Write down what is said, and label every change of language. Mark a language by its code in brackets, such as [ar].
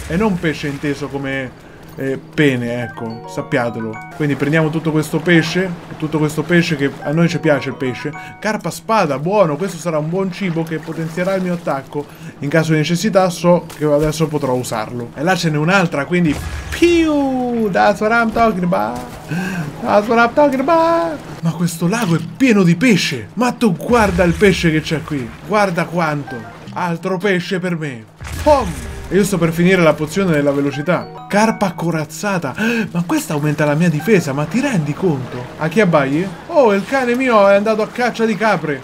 [it] E non pesce inteso come pene, ecco, sappiatelo. Quindi prendiamo tutto questo pesce che a noi ci piace il pesce. Carpa spada, buono, questo sarà un buon cibo che potenzierà il mio attacco. In caso di necessità so che adesso potrò usarlo. E là ce n'è un'altra, quindi piu! [en] That's what I'm talking about. That's what I'm talking about. [it] Ma questo lago è pieno di pesce. Ma tu guarda il pesce che c'è qui. Guarda quanto. Altro pesce per me. Pom. E io sto per finire la pozione della velocità. Carpa corazzata. Ma questa aumenta la mia difesa. Ma ti rendi conto? A chi abbaia? Oh, il cane mio è andato a caccia di capre.